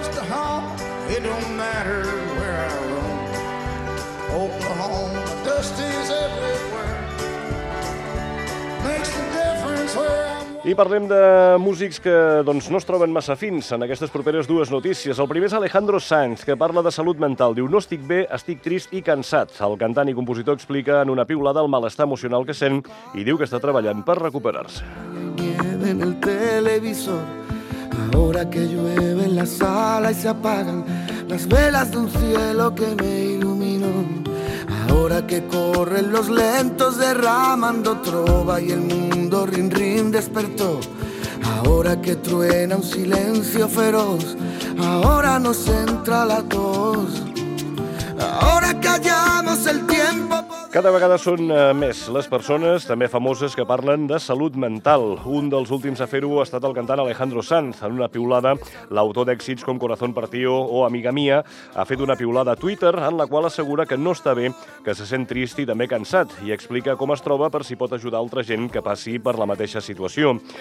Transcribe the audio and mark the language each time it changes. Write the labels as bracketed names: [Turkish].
[English] honk, it don't matter where I roam. Oklahoma dust is everywhere. Makes the difference where I'm. [Catalan] I parlem de músics que doncs, no es troben massa fins en aquestes properes dues notícies. El primer és Alejandro Sanz, que parla de salut mental. Diu, no estic bé, estic trist i cansat. El cantant i compositor explica en una piulada el malestar emocional que sent i diu que està treballant per recuperar-se. [Spanish] En el televisor, ahora que llueve en la sala y se apagan las velas de un cielo que me iluminó. Ahora que corren los lentos derramando trova y el mundo rin rin despertó. Ahora que truena un silencio feroz, ahora nos entra la tos. Ahora callamos el tiempo. [Catalan] Cada vegada són més les persones, també famoses, que parlen de salut mental. Un dels últims a fer-ho ha estat el cantant Alejandro Sanz. En una piulada, l'autor d'èxits com Corazón Partido o Amiga Mía ha fet una piulada a Twitter en la qual assegura que no està bé, que se sent trist i també cansat, i explica com es troba per si pot ajudar altra gent que passi per la mateixa situació.